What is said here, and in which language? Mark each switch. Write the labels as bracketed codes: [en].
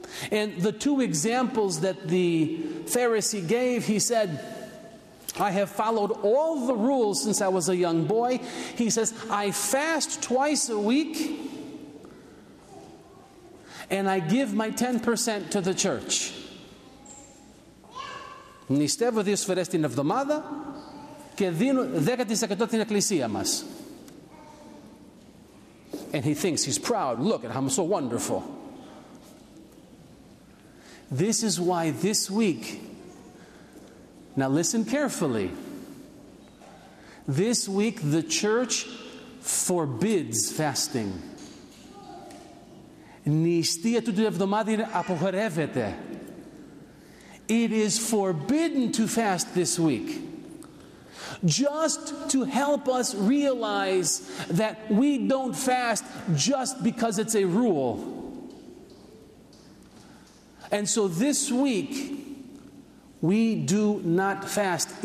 [en] And the two examples that the Pharisee gave, he said, "I have followed all the rules since I was a young boy." He says, "I fast twice a week, and I give my 10% to the church." [el] Νηστεύω δύο φορές την εβδομάδα και δίνω 10% την εκκλησία μας. [en] And he thinks he's proud. Look at how I'm so wonderful. This is why this week, now listen carefully. This week the church forbids fasting. [el] Νηστεία του εβδομάδα απογορεύεται. [en] It is forbidden to fast this week. Just to help us realize that we don't fast just because it's a rule. And so this week, we do not fast.